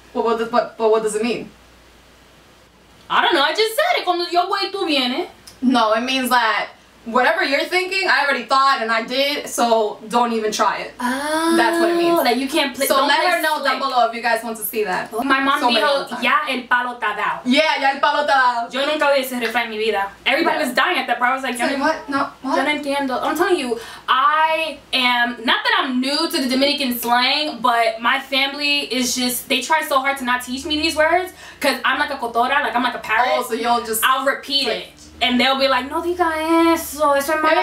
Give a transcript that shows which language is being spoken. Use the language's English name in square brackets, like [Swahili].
[English] But what does it mean? I don't know. I just said it. Cuando yo voy, tú vienes. No, it means that whatever you're thinking, I already thought and I did, so don't even try it. Oh, that's what it means. That you can't play. So let play her know down below if you guys want to see that. [Spanish] My mom dijo, ya el palo está dado. Yeah, ya el palo está dado. Yo nunca vi ese refrán en mi vida. [English] Everybody was dying at that part. I was like, what? [Spanish] Yo no entiendo. [English] I'm telling you, I am, not that I'm new to the Dominican slang, but my family is just, they try so hard to not teach me these words, because I'm like a cotora, like I'm like a parrot. Oh, so y'all just, I'll repeat like, it. And they'll be like, no diga eso, eso es mala palabra.